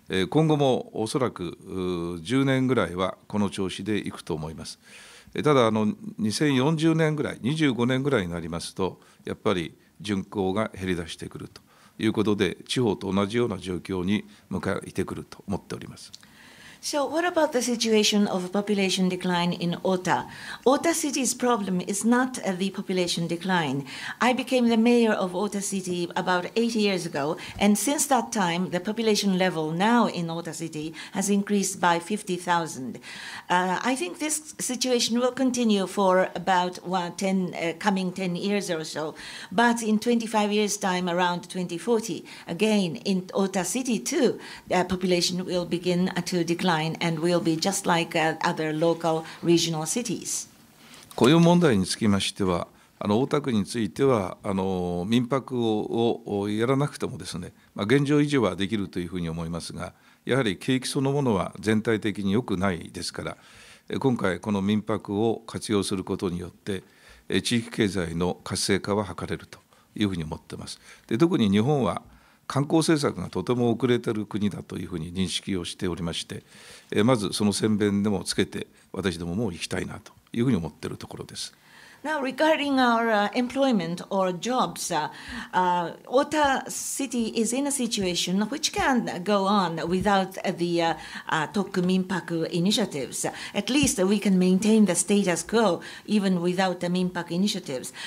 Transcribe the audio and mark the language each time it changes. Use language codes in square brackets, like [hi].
[ja] 今後もおそらく10年ぐらいはこの調子でいくと思います。ただ2040年ぐらい、25年ぐらいになりますと、やっぱり人口が減り出してくるということで、地方と同じような状況に向かってくると思っております。 [en] So what about the situation of population decline in Ota? Ota City's problem is not the population decline. I became the mayor of Ota City about 8 years ago, and since that time, the population level now in Ota City has increased by 50,000. I think this situation will continue for about 10 years or so. But in 25 years' time, around 2040, again, in Ota City too, the population will begin to decline. And will be just like other local regional cities. [ja] 雇用問題につきましては、大田区については民泊 をやらなくてもですね、現状維持はできるというふうに思いますが、やはり景気そのものは全体的に良くないですから、今回この民泊を活用することによって地域経済の活性化は図れるというふうに思っています。で、特に日本は観光政策がとても遅れている国だというふうに認識をしておりまして、まずその宣伝でもつけて、私どももう行きたいなというふうに思っているところです。 [en] Now, regarding our employment or jobs, Ota City is in a situation which can go on without the Tokku Minpaku initiatives. At least we can maintain the status quo even without the Minpaku initiatives.